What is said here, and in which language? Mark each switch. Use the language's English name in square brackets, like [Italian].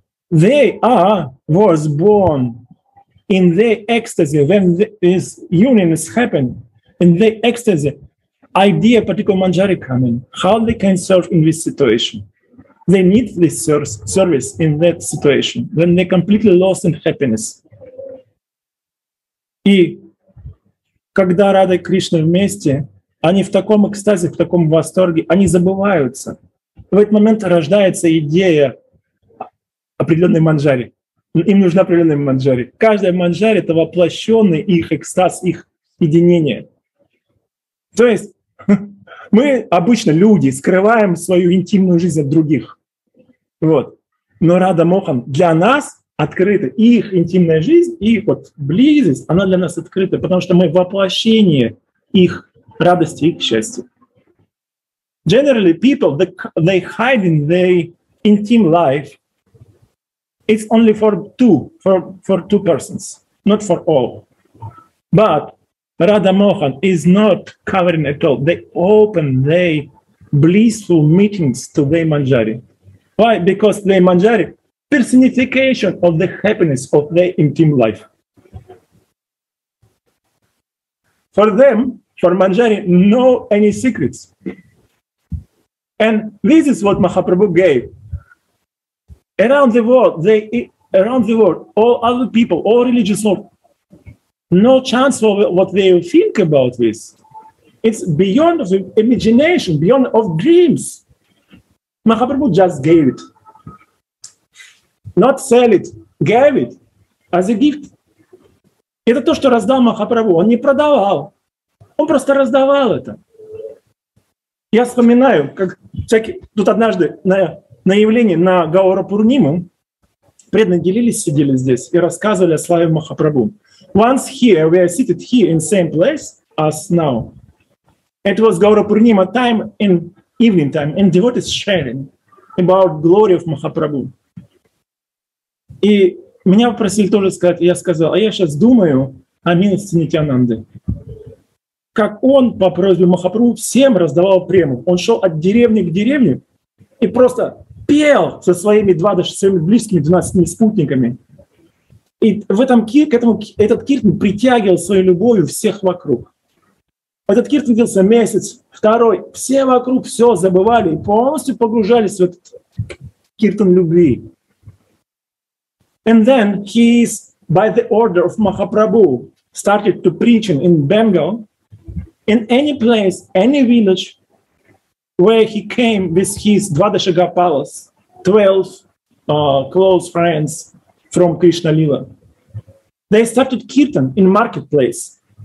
[English] They are, was born in their ecstasy, when this union is happened, in their ecstasy, idea particular Manjari coming, how they can serve in this situation. they need this service in that situation, when they're completely lost in happiness. [Russian] И когда Рада и Кришна вместе, они в таком экстазе, в таком восторге, они забываются. В этот момент рождается идея определенной манджари. Им нужна определенная манджари. Каждая манджари — это воплощенный их экстаз, их единение. То есть мы обычно люди скрываем свою интимную жизнь от других. Вот. Но Рада Мохан для нас открыта. Их интимная жизнь, их вот близость, она для нас открыта, потому что мы воплощение их радости, их счастья. [English] Generally, people, they hide in their intimate life. It's only for two persons, not for all. But Radha Mohan is not covering at all. They open their blissful meetings to their manjari. Why? Because their manjari, personification of the happiness of their intimate life. For them, for manjari, no any secrets. And this is what Mahaprabhu gave. Around the world, all other people, all religious world, no chance for what they think about this. It's beyond of imagination, beyond of dreams. Mahaprabhu just gave it. Not sell it, gave it as a gift. [Russian] Это то, что раздал Махапрабху. Он не продавал. Он просто раздавал это. Я вспоминаю, как всякий, тут однажды на явлении на Гаура Пурниму преданные делились, сидели здесь и рассказывали о славе Махапрабху. [English] Once here, we are seated here in the same place as now. It was Gaura Purnima time in evening time, and devotees sharing about glory of Махапрабху. [Russian] И меня попросили тоже сказать, я сказал, а я сейчас думаю о милости Нитянанды. Как он по просьбе Махапрабху всем раздавал прему. Он шел от деревни к деревне и просто пел со своими своими близкими 12 спутниками. И в этом этот киртан притягивал своей любовью всех вокруг. Этот киртан длился месяц, второй. Все вокруг все забывали и полностью погружались в этот киртан любви. [English] And then he is, by the order of Mahaprabhu, started to preach in Bengal. In any place, any village where he came with his Dvadasha Gopalas, 12 close friends from Krishna Lila, they started kirtan in marketplace.